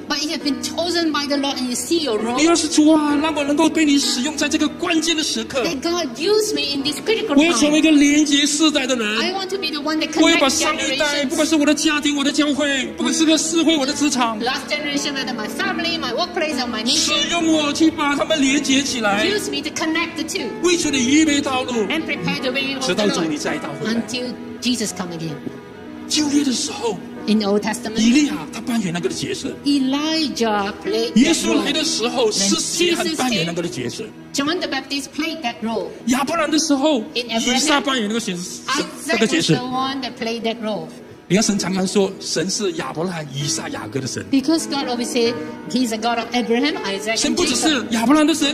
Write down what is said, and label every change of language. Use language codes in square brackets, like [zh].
[en] But you have been chosen by the Lord and you see your role. [zh] 你要是主啊，让我能够被你使用在这个关键的时刻。 [en] That God use me in this critical time. [zh] 我要成为一个连接世代的人。 [en] I want to be the one that connects generations. [zh] 我要把上一代，不管是我的家庭、我的教会，不管是个社会、我的职场。 [en] Last generation. My family, my workplace, or my nation. Use me to connect the two. [zh] 为主的预备道路, [en] and prepare the way of the Lord. Until Jesus comes again. [zh] 旧约的时候, [en] in the Old Testament, [zh] 以利亚, 他扮演那个的角色, [en] Elijah played that [zh] 耶稣来的时候, [en] role. When Jesus came, John the Baptist played that role. [zh] 亚伯兰的时候, [en] in Abraham, Isaac was the one that played that role. [zh] 神常常说神是亚伯兰、以撒、雅各的神。 [en] Because God always said He's a God of Abraham, Isaac, and Jacob.